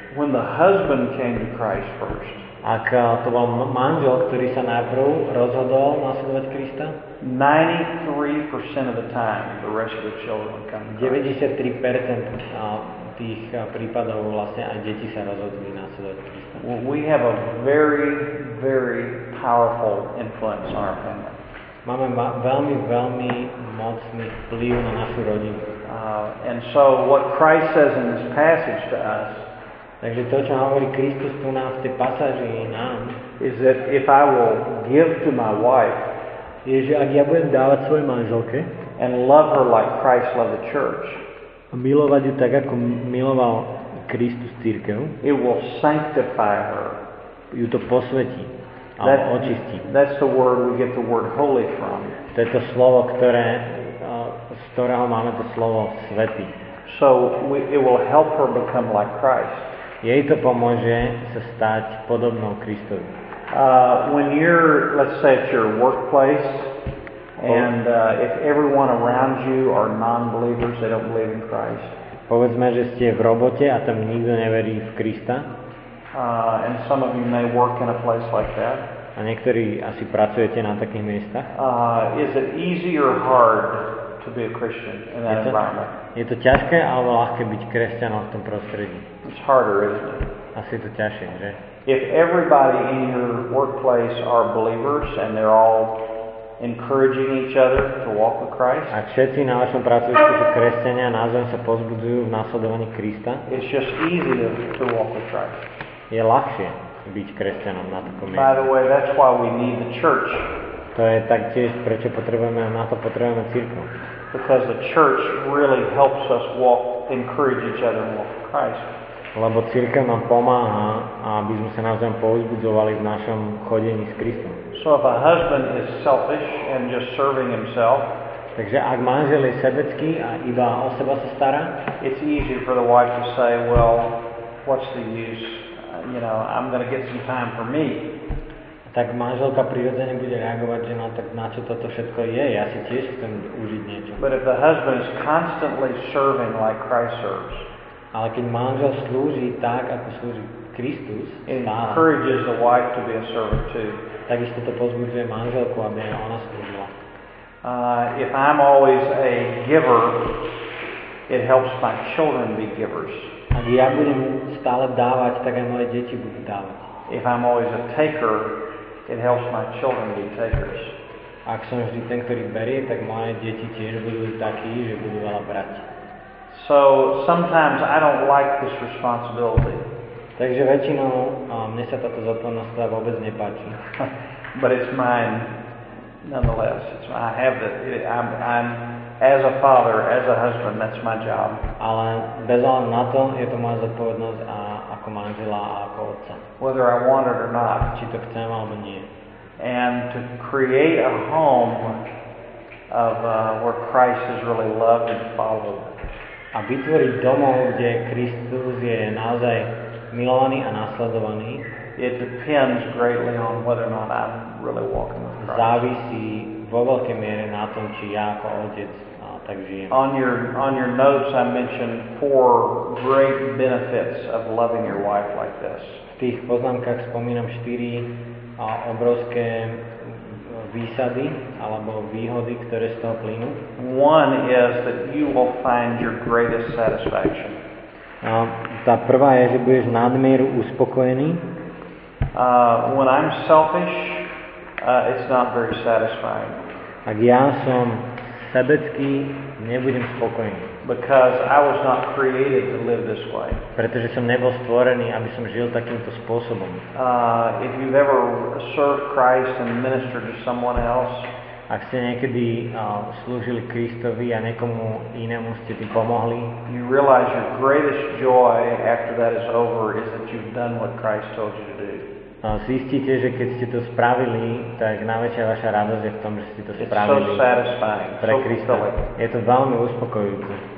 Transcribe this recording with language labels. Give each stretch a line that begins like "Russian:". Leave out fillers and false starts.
English: When the husband came to Christ first.
Slovak: Ak to bol manžel, ktorý sa najprv rozhodol nasledovať Krista,
English: 93% of the time the rest of the children come.
Slovak: 93% tých prípadov vlastne aj deti sa rozhodli nasledovať Krista.
English: Well, we have a very, very powerful influence on our family.
Slovak: Máme veľmi, veľmi mocný vplyv na našu rodinu.
English: And so what Christ says in this passage to us,
Slovak: takže to, čo hovorí Kristus tu nám v tej pasáži nám,
English: is that if I will give to my wife,
Slovak: je, že ak ja budem dávať svojej manželke,
English: and love her like Christ loved the church,
Slovak: a milovať ju tak, ako miloval Kristus cirkev,
English: it will sanctify her.
Slovak: Ju to posvetí.
English: That, that's the word we get the word holy from.
Slovak: To je to slovo, ktoré, z ktorého máme to slovo svätý.
English: So we, it will help her become like Christ.
Slovak: Jej to pomôže sa stať podobnou Kristovi.
English: When you're, let's say at your workplace, and if everyone around you are non-believers, they don't believe in Christ.
Slovak: Povedzme, že ste v robote a tam nikto neverí v Krista.
English: And some of you may work in a place like that.
Slovak: A niektorí asi pracujete na takých miestach.
English: Is it easy or hard to be a Christian in that environment?
Slovak: Je to ťažké alebo ľahké byť kresťanom v tom prostredí?
English: It's harder, isn't it?
Slovak: Asi je to ťažšie, že?
English: If everybody in your workplace are believers and they're all encouraging each other to walk with Christ.
Slovak: Ak všetci na vašom pracovisku sú kresťania a navzájom sa pozbudzujú v nasledovaní Krista,
English: it's just easy to walk with Christ.
Slovak: Je ľahšie byť kresťanom na takom mieste.
English: By the way, that's why we need the church.
Slovak: To je taktiež, prečo potrebujeme, na to potrebujeme cirkev.
English: Because the church really helps us walk, encourage each other and walk with Christ.
Slovak: Lebo cirkev nám pomáha, aby sme sa navzájom povzbudzovali v našom chodení s Kristom.
English: So if a husband is selfish and just serving himself,
Slovak: takže ak manžel je sebecký a iba o seba sa stará,
English: it's easy for the wife to say, well, what's the use? You know, I'm going to get some time for me.
Slovak: Tak manželka prirodzene bude reagovať, že no tak na čo toto všetko je, ja si tiež chcem užiť niečo.
English: But if the husband is constantly serving like Christ serves,
Slovak: ale keď manžel slúži tak, ako slúži Kristus, stále,
English: encourages the wife to be a servant too.
Slovak: Takisto to pozbudzuje manželku, aby ona slúžila.
English: If I'm always a giver, it helps my children be givers.
Slovak: Ak ja budem stále dávať, tak aj moje deti budú dávať.
English: If I'm always a taker, it helps my children be takers.
Slovak: Ak som vždy ten, ktorý berie, tak moje deti tiež budú takí, že budú veľa brať.
English: So sometimes I don't like this responsibility.
Slovak: Takže väčšinou mne sa táto zodpovednosť vôbec nepáči.
English: But it's mine nonetheless. It's my, I have that. I'm as a father, as a husband, that's my job.
Slovak: Ale bez ohľadu na to, je to moja zodpovednosť a ako manžela a ako otca.
English: Whether I want it or not.
Slovak: Či to chcem alebo nie.
English: And to create a home of where Christ is really loved and followed.
Slovak: A vytvoriť domov, kde Kristus je naozaj milovaný a nasledovaný,
English: it depends greatly on whether or not I'm really walking with Christ.
Slovak: Závisí vo veľkej miere na tom, či ja ako otec tak žijem.
English: On your notes I mentioned four great benefits of loving your wife like this.
Slovak: V tých poznámkach spomínam štyri obrovské výsady alebo výhody, ktoré z toho plynú.
English: One is that you will find your greatest satisfaction.
Slovak: Tá prvá je, že budeš nadmieru uspokojený.
English: When I'm selfish, it's not very satisfying.
Slovak: Ak ja som sebecký, nebudem spokojný.
English: Because I was not created to live this way.
Slovak: Pretože som nebol stvorený, aby som žil takýmto spôsobom.
English: If you've ever served Christ and ministered to someone else,
Slovak: ak ste niekedy slúžili Kristovi a niekomu inému ste tým pomohli,
English: you realize your greatest joy after that is over is that you've done what Christ told you to do.
Slovak: Zistíte, že keď ste to spravili, tak najväčšia vaša radosť je v tom, že ste to spravili.
English: It's so satisfying,
Slovak: pre Krista. Je to veľmi uspokojujúce.